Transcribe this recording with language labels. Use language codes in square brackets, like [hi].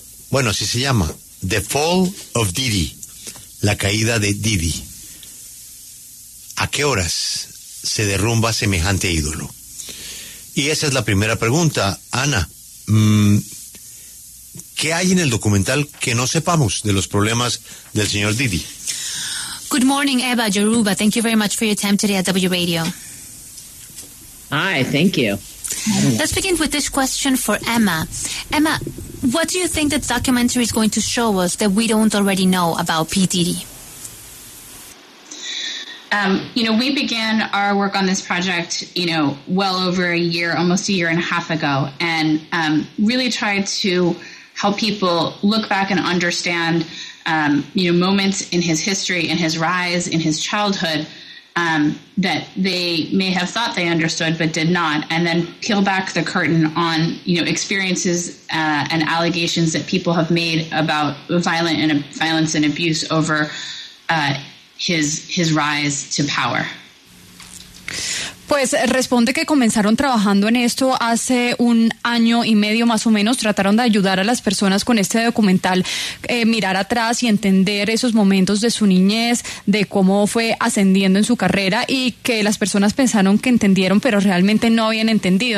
[es] Bueno, así se llama, The Fall of Diddy, la caída de Diddy. ¿A qué horas se derrumba semejante ídolo? Y esa es la primera pregunta. Ana, ¿qué hay en el documental que no sepamos de los problemas del señor Diddy? [en] Good morning, Eva Yoruba. Thank you very much for your time today at W Radio. Hi, thank you. Let's begin with this question for Emma. Emma, what do you think that documentary is going to show us that we don't already know about P. Diddy? You know, we began our work on this project, you know, well over a year, almost a year and a half ago, and really tried to help people look back and understand, you know, moments in his history, in his rise, in his childhood, that they may have thought they understood but did not, and then peel back the curtain on, you know, experiences and allegations that people have made about violence and abuse over his rise to power. [es] Pues responde que comenzaron trabajando en esto hace un año y medio más o menos. Trataron de ayudar a las personas con este documental, mirar atrás y entender esos momentos de su niñez, de cómo fue ascendiendo en su carrera, y que las personas pensaron que entendieron, pero realmente no habían entendido.